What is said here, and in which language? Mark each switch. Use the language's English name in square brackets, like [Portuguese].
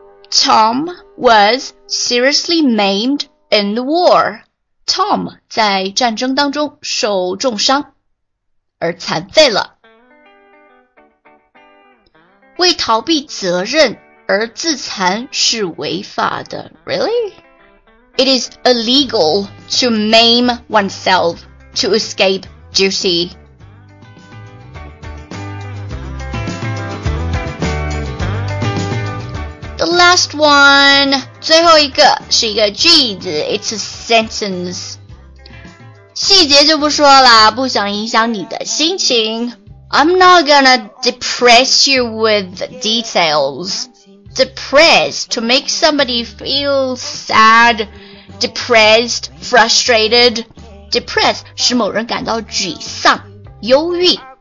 [English] Tom was seriously maimed in the war. [Chinese] Tom 在战争当中受重伤而残废了。为逃避责任而自残是违法的。 [English] Really? It is illegal to maim oneself to escape duty. The last one, [Chinese] 最后一个是一个句子 [English] it's a sentence. [Chinese] 细节就不说了不想影响你的心情。 [English] I'm not gonna depress you with details. Depressed, to make somebody feel sad, depressed, frustrated. [Chinese] Depressed, 使某人感到沮丧忧郁。